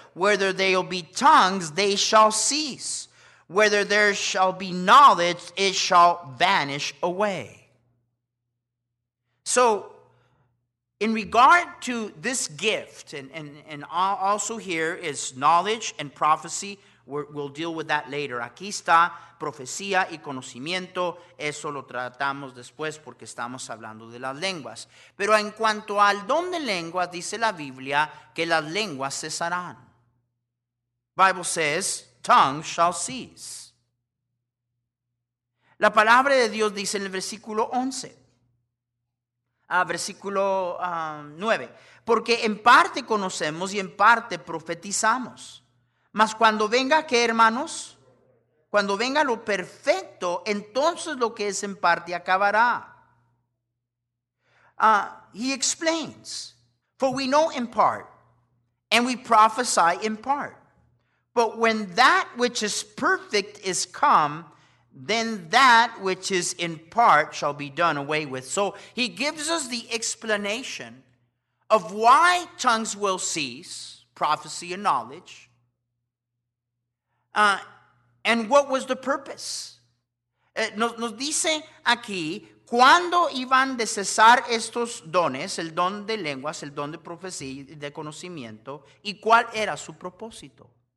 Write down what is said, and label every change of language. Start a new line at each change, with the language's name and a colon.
English: Whether there be tongues, they shall cease. Whether there shall be knowledge, it shall vanish away. So, in regard to this gift, and also here is knowledge and prophecy. We'll deal with that later.
Spanish: Aquí está profecía y conocimiento. Eso lo tratamos después porque estamos hablando de las lenguas. Pero en cuanto al don de lenguas, dice la Biblia que las lenguas cesarán.
English: Bible says, tongues shall cease.
Spanish: La palabra de Dios dice en el versículo 11. Versículo 9. Porque en parte conocemos y en parte profetizamos. Mas cuando venga, ¿qué, hermanos? Cuando venga lo perfecto, entonces lo que es en parte acabará.
English: He explains, for we know in part, and we prophesy in part. But when that which is perfect is come, then that which is in part shall be done away with. So he gives us the explanation of why tongues will cease, prophecy and knowledge. And what was the purpose?
Spanish: Nos dice aquí, ¿cuándo iban de cesar estos dones, el don de lenguas, el don de profecía y de conocimiento, y cuál era su propósito?